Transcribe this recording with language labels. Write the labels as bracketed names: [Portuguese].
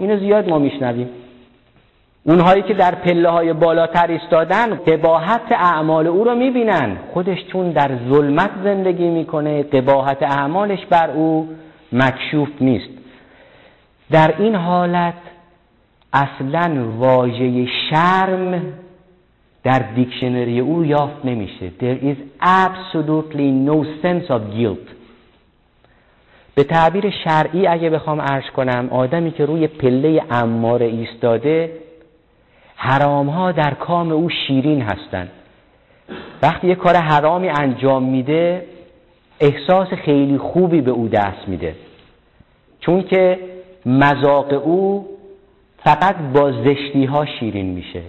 [Persian] اینو زیاد ما میشنویم. اونهایی که در پله‌های بالاتر ایستادن قباحت اعمال او رو میبینن، خودش چون در ظلمت زندگی میکنه قباحت اعمالش بر او مکشوف نیست. در این حالت اصلاً واژه شرم در دیکشنری او یافت نمیشه. [English] There is absolutely no sense of guilt. [Persian] به تعبیر شرعی اگه بخوام عرض کنم، آدمی که روی پله امار ایستاده، حرام ها در کام او شیرین هستن. وقتی یه کار حرامی انجام میده احساس خیلی خوبی به او دست میده، چون که مذاق او فقط با زشتی ها شیرین میشه.